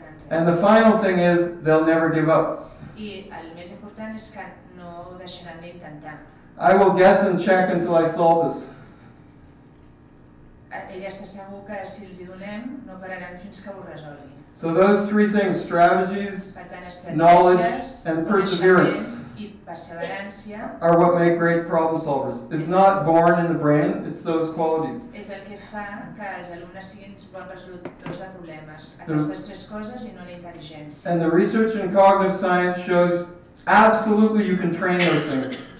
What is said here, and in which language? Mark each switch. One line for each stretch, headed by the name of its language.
English: And the final thing is, they'll never give up.
Catalan: I el més important és que no ho deixaran d'intentar.
English: I will guess and check until I solve this.
Catalan: Ell està segur que si els hi donem, no pararan fins que ho resolgui.
English: So those three things, strategies,
Catalan: per tant, estratègies,
English: knowledge, and perseverance,
Catalan: i perseverància,
English: are what make great problem solvers. It's not born in the brain, it's those qualities.
Catalan: És el que fa que els alumnes siguin bons resolutors de problemes. Aquestes tres coses i no la intel·ligència.
English: And the research in cognitive science shows absolutely you can train those things.